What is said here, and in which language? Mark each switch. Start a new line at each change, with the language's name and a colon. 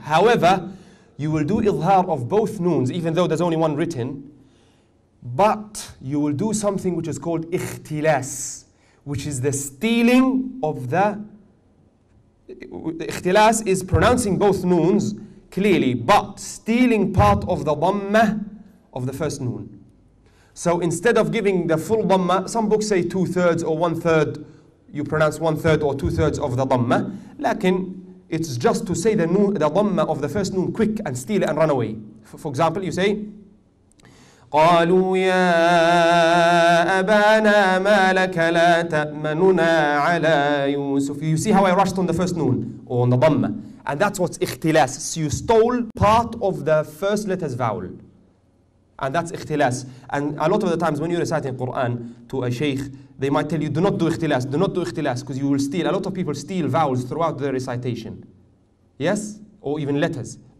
English: However, you will do idhar of both noons, even though there's only one written, but you will do something which is called ikhtilas, which is the stealing of the ikhtilas is pronouncing both noons clearly, but stealing part of the dhamma of the first noon. So instead of giving the full dhamma, some books say two-thirds or one-third, you pronounce one-third or two-thirds of the dhamma, lakin it's just to say the dhamma of the first noon quick and steal it and run away. For example, you say,
Arabic: قَالُوا يَا أَبَانَا مَا لَكَ لَا تَأْمَنُنَا عَلَى يُوسُفِ.
English: You see how I rushed on the first noon, or on the dhamma. And that's what's ikhtilas. So you stole part of the first letter's vowel. And that's ikhtilas. And a lot of the times when you're reciting Quran to a sheikh, they might tell you, do not do ikhtilas, do not do ikhtilas, because you will steal. A lot of people steal vowels throughout the recitation. Yes? Or even letters.